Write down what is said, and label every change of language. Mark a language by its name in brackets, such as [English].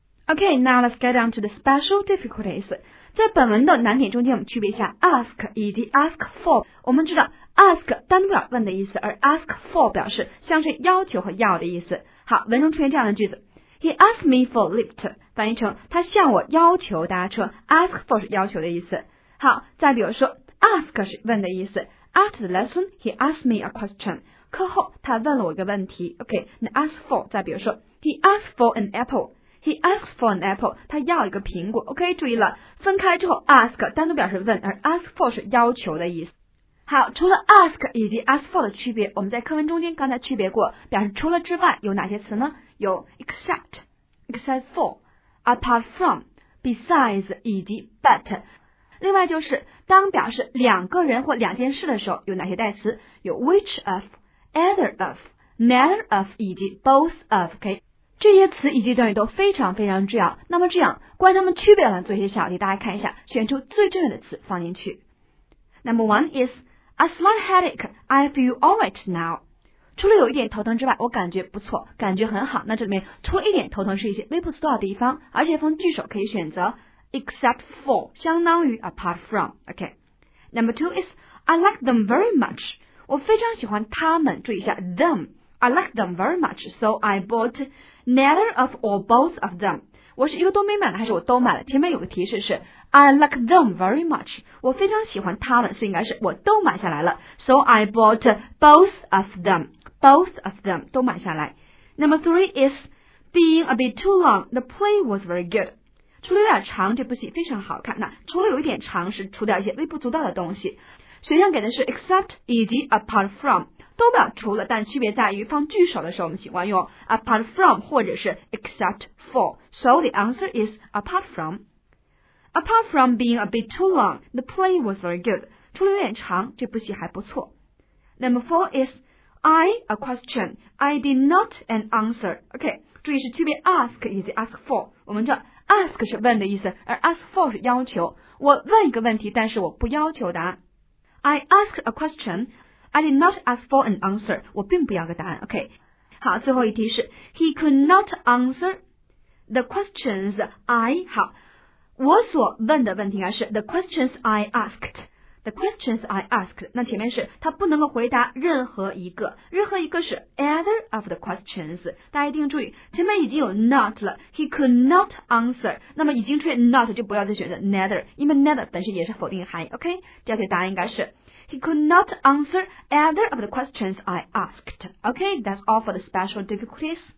[English] Okay, now let's get down to the special difficulties. [Chinese] 在本文的难点中间，我们区别一下 ask 以及 ask for。我们知道 ask 单独表问的意思，而 ask for 表示像是要求和要的意思。好，文中出现这样的句子 ： [English] He asked me for Lyft， [Chinese] 翻译成他向我要求搭车。 Ask for 是要求的意思。好，再比如说 ask 是问的意思。 [English] After the lesson, he asked me a question。 [Chinese] 课后他问了我一个问题。 [English] Okay, [Chinese] 那 [English] ask for [Chinese] 再比如说 [English] ，He asked for an apple。 He asks for an apple， [Chinese] 他要一个苹果。 OK， 注意了，分开之后 ask 单独表示问，而 ask for 是要求的意思。好，除了 ask 以及 ask for 的区别，我们在课文中间刚才区别过，表示除了之外有哪些词呢？有 except、except for、apart from、besides 以及 but。另外就是当表示两个人或两件事的时候，有哪些代词？有 which of、either of、neither of 以及 both of。OK。这些词以及短语都非常非常重要，那么这样关于它们区别来做一些小题，大家看一下，选出最重要的词放进去。 [English] Number one is a slight headache, I feel alright now. [Chinese] 除了有一点头疼之外，我感觉不错，感觉很好。那这里面除了一点头疼是一些微不足道的地方，而且从句首可以选择 except for, 相当于 apart from. [English] OK. Number two is I like them very much, [Chinese] 我非常喜欢他们，注意一下 [English] them,I like them very much, so I bought neither of or both of them. [Chinese] 我是一个都没买的还是我都买了？前面有个提示是 [English] I like them very much. [Chinese] 我非常喜欢他们，所以应该是我都买下来了。 [English] So I bought both of them. Both of them [Chinese] 都买下来。 [English] Number three is being a bit too long. The play was very good. [Chinese] 除了有点长，这部戏非常好看。那除了有一点长，是除掉一些微不足道的东西。选项给的是 except 以及 apart from。都表除了，但区别在于放句首的时候我们喜欢用 apart from 或者是 except for. [English] So the answer is apart from. Apart from being a bit too long, the play was very good. [Chinese] 除了有点长，这部戏还不错。 [English] Number four is I a question. I did not an answer. [Chinese] OK, 注意是区别 ask 以及 ask for. 我们知道 ask 是问的意思，而 ask for 是要求。我问一个问题，但是我不要求答案。 [English] I asked a question. I did not ask for an answer. [Chinese] 我并不要个答案。OK. 好，最后一题是 [English] He could not answer the questions I. [Chinese] 好，我所问的问题啊是 [English] The questions I asked. The questions I asked. [Chinese] 那前面是他不能够回答任何一个，任何一个是 [English] either of the questions. [Chinese] 大家一定注意，前面已经有 not 了。 [English] He could not answer. [Chinese] 那么已经出现 not 就不要再选择 neither, 因为 neither 本身也是否定含义。 OK. 第二题答案应该是。 [English] He could not answer either of the questions I asked. Okay, that's all for the special difficulties.